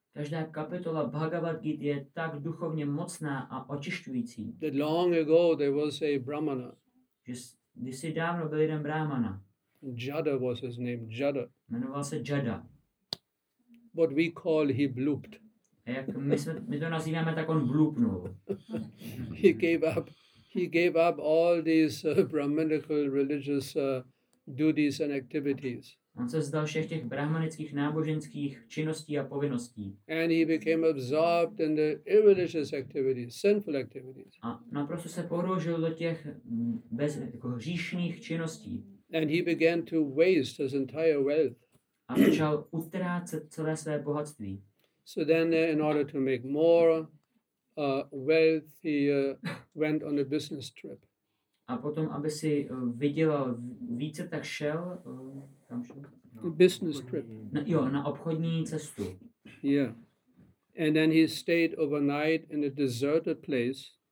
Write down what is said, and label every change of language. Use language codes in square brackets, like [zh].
[cs] Každá kapitola Bhagavad Gita je tak duchovně mocná a očišťující. [en] That long ago there was a brahmana. [cs] Kdysi dávno byl jeden brahmana. [en] Jada was his name, Jada. [cs] Jmenoval se Jada. [en] What we call he blooped. [cs] My to nazýváme, tak on blupnul. [en] He gave up all these brahmanical religious duties and activities. [cs] On se vzdal všech těch brahmanických náboženských činností a povinností. [en] And he became absorbed in the irreligious activities, sinful activities. [cs] A naprosto se porožil do těch bez hříšných činností. [en] And he began to waste his entire wealth. [cs] A začal utrácet celé své bohatství. [en] So then in order to make more wealth, he went on a business trip. [cs] A potom, aby si vydělal více, tak šel tam šel? [en] No, business trip. [cs] Na obchodní cestu. [en] Yeah. And then he stayed overnight in a deserted place.